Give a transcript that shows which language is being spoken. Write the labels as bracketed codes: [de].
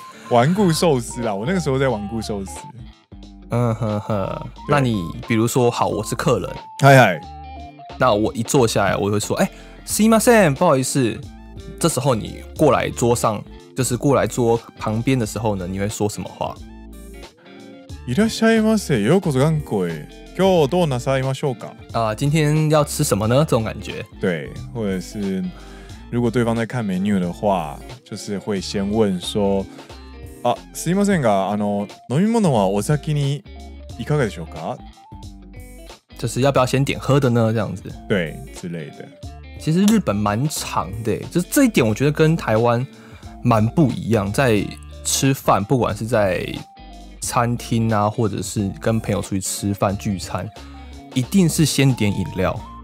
[zh] 顽固寿司啦，我那个时候在顽固寿司。那你比如说，好，我是客人，嗨嗨，那我一坐下来，我会说，哎、欸， [ja] すいません， [zh] 不好意思。这时候你过来桌上，就是过来桌旁边的时候呢，你会说什么话？ [ja] いらっしゃいませ、ようこそ頑固へ。今日どうなさいましょうか？ [zh] 啊，今天要吃什么呢？这种感觉。对，或者是如果对方在看 menu 的话，就是会先问说。 [ja] あ、すいませんが、あの、飲み物はお先にいかがでしょうか？ [zh] 就是要不要先点喝的呢？这样子。对，之类的。其实日本蛮长的，就是这一点，我觉得跟台湾蛮不一样。在吃饭，不管是在餐厅啊，或者是跟朋友出去吃饭聚餐，一定是先点饮料。